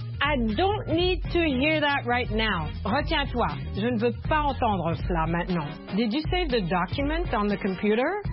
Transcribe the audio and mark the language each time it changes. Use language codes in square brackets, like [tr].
[en] I don't need to hear that right now. [fr] Retiens-toi, je ne veux pas entendre cela maintenant. [en] Did you save the document on the computer?